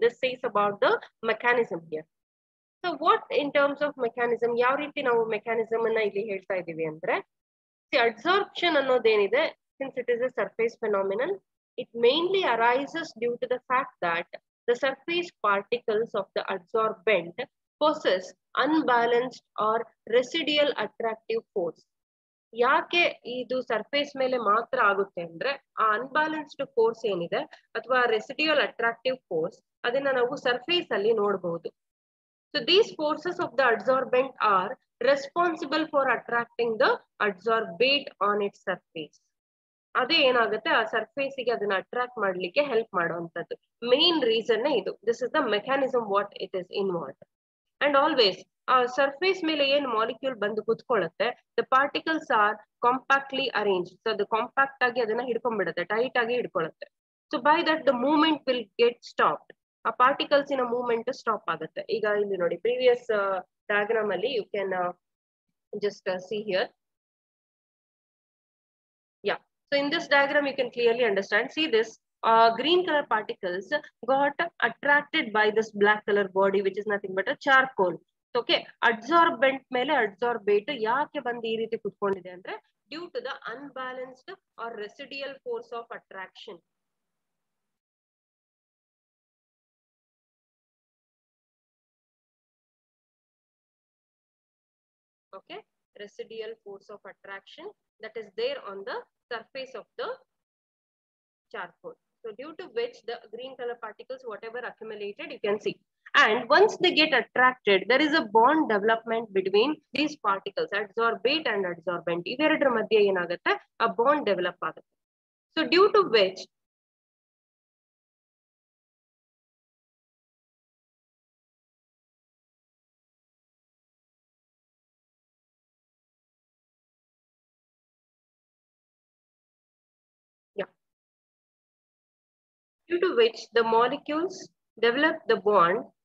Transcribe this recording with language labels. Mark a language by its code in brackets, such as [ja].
[en] This says about the mechanism here. So what in terms of mechanism, [kn] yav riti navu mechanism anna illi helta idivi andre, [en] see [kn] adsorption annod enide, [en] since it is a surface phenomenon, it mainly arises due to the fact that the surface particles of the adsorbent possess unbalanced or residual attractive force. [kn] ಯಾಕೆ ಇದು surface ಮೇಲೆ ಮಾತ್ರ ಆಗುತ್ತೆ ಅಂದ್ರೆ, ಆ unbalanced force ಏನಿದೆ ಅಥವಾ residual attractive force, ಅದನ್ನ ನಾವು ಸರ್ಫೇಸ್ ಅಲ್ಲಿ ನೋಡಬಹುದು. [en] So these forces of the adsorbent are responsible for attracting the adsorbate on it surface. [kn] ಅದೇ ಏನಾಗುತ್ತೆ, ಆ ಸರ್ಫೇಸ್ ಗೆ ಅದನ್ನ ಅಟ್ರಾಕ್ಟ್ ಮಾಡ್ಲಿಕ್ಕೆ ಹೆಲ್ಪ್ ಮಾಡುವಂತದ್ದು ಮೇನ್ ರೀಸನ್ ಇದು. [en] This is the mechanism what it is involve. and always surface [kn] mele yen molecule bandu kutkolutte, [en] the particles are compactly arranged. So the compact [kn] agi adana hidkonbidutte, tight agi hidkolutte. [en] So by that the movement will get stopped. A particles in a movement [kn] stop agutte. Iga illi nodi previous diagram alli [en] you can just see here. Yeah, so in this diagram you can clearly understand. See this green color particles got attracted by this black color body, which is nothing but a charcoal. Okay absorbent [kn] ಮೇಲೆ ಅಬ್ಸಾರ್ಬೇಟ್ ಯಾಕೆ ಬಂದು ಈ ರೀತಿ ಕುತ್ಕೊಂಡಿದೆ ಅಂದ್ರೆ [en] Due to the unbalanced or residual force of attraction okay residual force of attraction that is there on the surface of the charcoal so due to which the green colour particles whatever accumulated you can see And once they get attracted, there is a bond development between these particles, adsorbate and adsorbent. [kn] Ivere dr madhye yenagutte, a bond develop agutte. [en] So due to which, the molecules develop the bond.